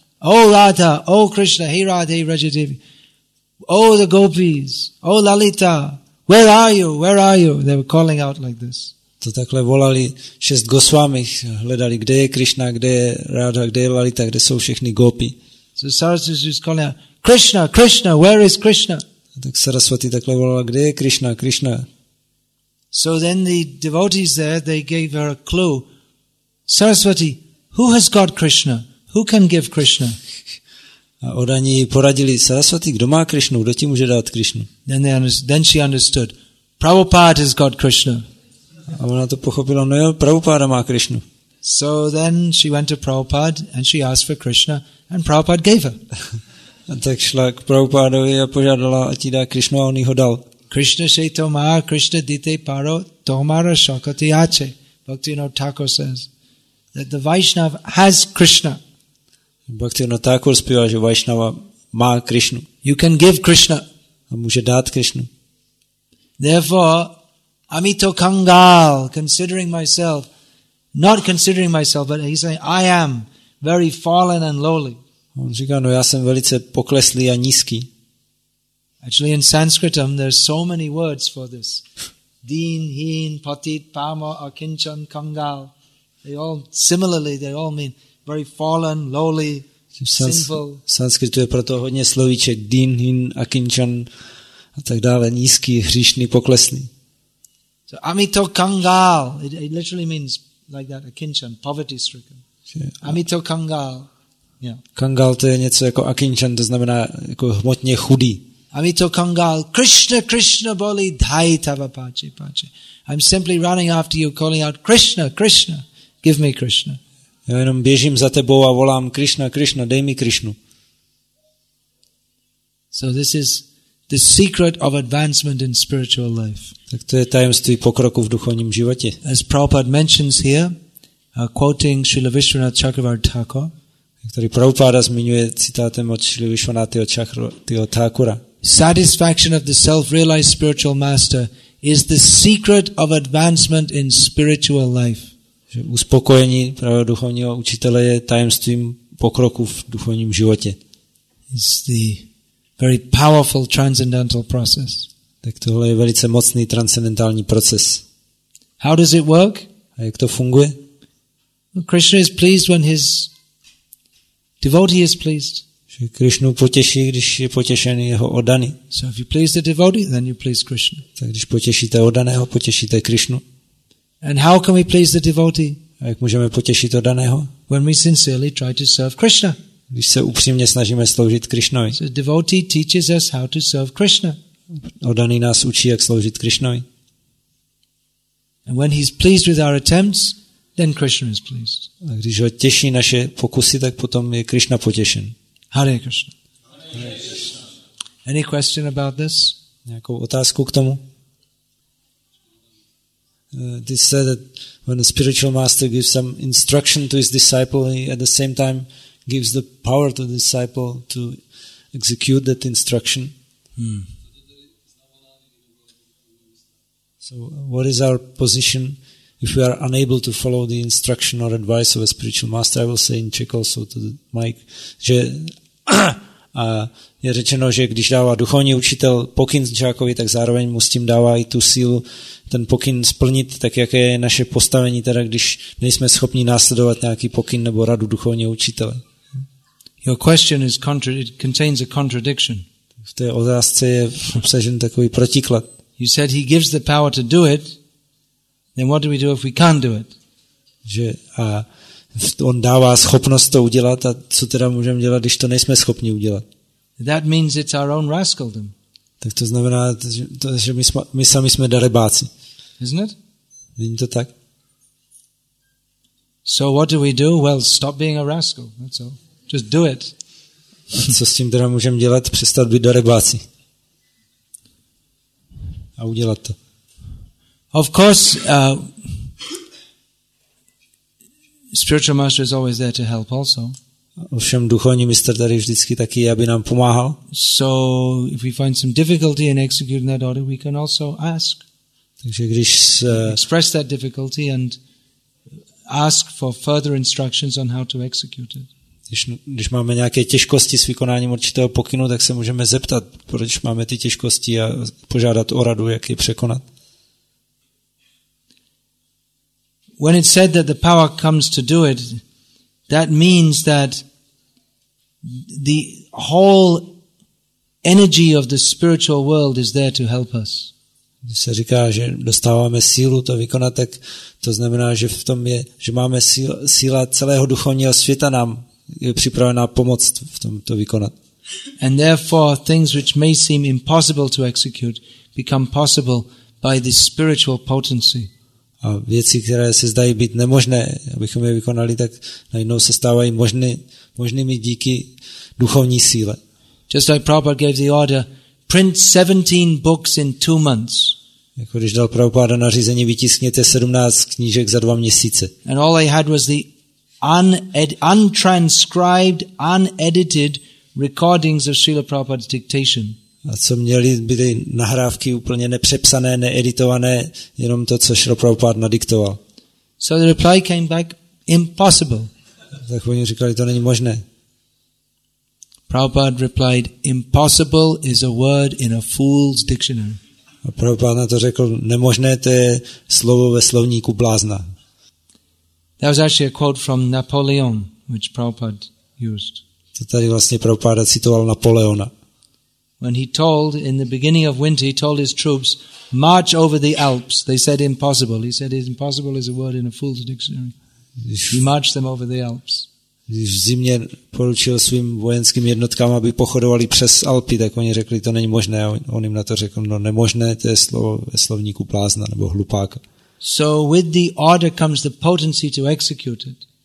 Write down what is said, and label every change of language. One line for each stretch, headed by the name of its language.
English: Oh Radha, oh Krishna, hey Radha, hey Raja Devi. Oh the gopis, oh Lalita, where are you? Where are you? They were calling out like this.
Czech: To takhle volali šest Goswami, hledali, kde je Krishna, kde je Radha, kde je Lalita, kde jsou všechny gopi.
English: So Saraswati was calling out, Krishna, Krishna, where is Krishna?
Czech: Tak Saraswati takhle volala, kde je Krishna, Krishna.
English: So then the devotees there, they gave her a clue. Saraswati, who has got Krishna? Who can give Krishna?
Czech: A oni poradili Saraswati, kdo má Krishnu, kdo ti může dát Krishnu?
English: Then she understood. Prabhupada has got Krishna.
Czech: A ona to pochopila, no jo, Prabhupada má Krishnu.
English: So then she went to Prabhupada and she asked for Krishna and Prabhupada gave her.
Czech: A tak šla k Prabhupádovi a požádala, ať jí dá Krishnu a on jí ho dal.
Bangla: Krishna shaitoma, Krishna dite paro, tomara shakati ache.
English: Bhaktivinoda Thakur says that the Vaishnava has Krishna.
Czech: Bhaktivinoda Thakur zpívá, že Vaishnava má Krishnu.
English: You can give Krishna.
Czech: A může dát Krishnu.
English: Therefore,
Bangla: amito kangal,
English: considering myself, not considering myself, but he's saying, I am very fallen and lowly.
Czech: On říká, no já jsem velice pokleslý a nízký.
English: Actually in Sanskritum there's so many words for this. Deen, heen, patit, pamo, akinchan, kangal. They all, similarly, they all mean very fallen, lowly, sinful.
Czech: V Sanskritu je proto hodně slovíček. Deen, heen, akinchan a tak dále. Nízký, hříšný, pokleslý.
Bangla: So amito kangal.
English: It literally means like that, akinchan, poverty stricken.
Bangla: Amito kangal.
English: Yeah.
Czech: Kangal to je něco jako akinčan, to znamená jako hmotně chudý.
Bangla: Amito kangal, Krishna, Krishna boli dhai tava pache pache.
English: I'm simply running after you, calling out, Krishna, Krishna, give me Krishna.
Czech: Já jenom běžím za tebou a volám, Krishna, Krishna, dej mi Krishnu.
English: So this is the secret of advancement in spiritual life.
Czech: Tak to je tajemství pokroku v duchovním životě.
English: As Prabhupada mentions here, quoting Srila Vishwanatha Chakravarti Thakura,
Czech: který Prabhupada zmiňuje citátem od Srila Vishwanatha Thakura.
English: Satisfaction of the self-realized spiritual master is the secret of advancement in spiritual life.
Czech: Že uspokojení pravého duchovního učitele je tajemstvím pokroku v duchovním životě.
English: It's the very powerful transcendental process.
Czech: Tak tohle je velice mocný transcendentální proces.
English: How does it work?
Czech: A jak to funguje?
English: Krishna is pleased when his devotee is pleased.
Czech: Že Krishnu potěší, když je potěšený jeho oddaný.
English: So if you please the devotee, then you please Krishna.
Czech: Tak když potěšíte oddaného, potěšíte Krishnu.
English: And how can we please the devotee?
Czech: A jak můžeme potěšit oddaného?
English: When we sincerely try to serve Krishna.
Czech: Když se upřímně snažíme sloužit Krishnovi.
English: So devotee teaches us how to serve Krishna.
Czech: Oddaný nás učí, jak sloužit Krishnovi.
English: And when he's pleased with our attempts, then Krishna is pleased.
Czech: A když ho těší naše pokusy, tak potom je Krishna potěšen.
English: Hare Krishna. Any question about this?
Czech: Nějakou otázku k tomu?
English: They said that when a spiritual master gives some instruction to his disciple, he at the same time gives the power to the disciple to execute that instruction. Hmm. So what is our position if we are unable to follow the instruction or advice of a spiritual master? I will say in Czech also to the mic,
Czech: že a je řečeno, že když dává duchovní učitel pokyn žákovi, tak zároveň mu s tím dává i tu sílu ten pokyn splnit, tak jaké je naše postavení teda, když nejsme schopni následovat nějaký pokyn nebo radu duchovního učitele.
English: Your question is it contains a contradiction.
Czech: V té otázce je obsažen takový protiklad.
English: You said he gives the power to do it, then what do we do if we can't do it?
Czech: Že a on dává schopnost to udělat a co teda můžeme dělat, když to nejsme schopni udělat?
English: That means it's our own rascaldom.
Czech: Tak to znamená, že my sami jsme darebáci.
English: Isn't it?
Czech: Není to tak?
English: So what do we do? Well, stop being a rascal. That's all. Just do it.
Czech: A co s tím teda můžeme dělat? Přestat být darebáci. A udělat to.
English: Of course, spiritual master is always there to help also.
Czech: Ovšem duchovní mistr tady vždycky taky, aby nám pomáhal.
English: So if we find some difficulty in executing that order, we can also ask.
Czech: Takže když
English: express that difficulty and ask for further instructions on how to execute it.
Czech: Když máme nějaké těžkosti s vykonáním určitého pokynu, tak se můžeme zeptat, proč máme ty těžkosti a požádat o radu, jak je překonat.
English: When it said that the power comes to do it, that means that the whole energy of the spiritual world is there to help us.
Czech: Když se říká, že dostáváme sílu to vykonat, tak to znamená, že v tom je, že máme síla celého duchovního světa nám je připravená pomoc v tom to vykonat.
English: And therefore things which may seem impossible to execute become possible by the spiritual potency.
Czech: A věci, které se zdají být nemožné, abychom je vykonali, tak najednou se stávají možnými díky duchovní síle.
English: Just like Prabhupada gave the order, print 17 books in 2 months.
Czech: Jako když dal Prabhupada nařízení, vytiskněte 17 knížek za 2 měsíce.
English: And all I had was the untranscribed, unedited recordings of Srila Prabhupada's dictation.
Czech: A co měli, byly nahrávky úplně nepřepsané, needitované, jenom to, co Srila Prabhupada nadiktoval.
English: So the reply came back, impossible.
Czech: Tak oni říkali, to není možné.
English: Prabhupada replied, impossible is a word in a fool's dictionary.
Czech: A Prabhupada to řekl, nemožné, to je slovo ve slovníku blázna.
English: That was actually a quote from Napoleon, which Prabhupada used.
Czech: To tady vlastně Prabhupada citoval Napoleona.
English: When he told, in the beginning of winter, he told his troops, march over the Alps. They said impossible. He said impossible is a word in a fool's dictionary. He marched them over the Alps.
Czech: Když v zimě poručil svým vojenským jednotkám, aby pochodovali přes Alpy, tak oni řekli, to není možné. On jim na to řekl, no nemožné, to je slovo ve slovníku blázna nebo hlupák.
English: So with the order comes the potency to execute it.